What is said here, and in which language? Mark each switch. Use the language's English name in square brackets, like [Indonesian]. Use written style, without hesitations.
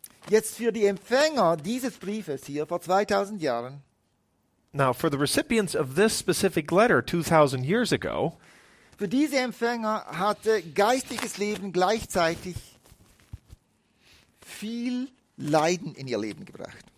[German] Jetzt für die Empfänger dieses Briefes hier vor 2000 Jahren. [English] Now for the recipients of this specific letter 2000 years ago. [German] Für diese Empfänger hatte geistliches Leben gleichzeitig viel Leiden in ihr Leben gebracht.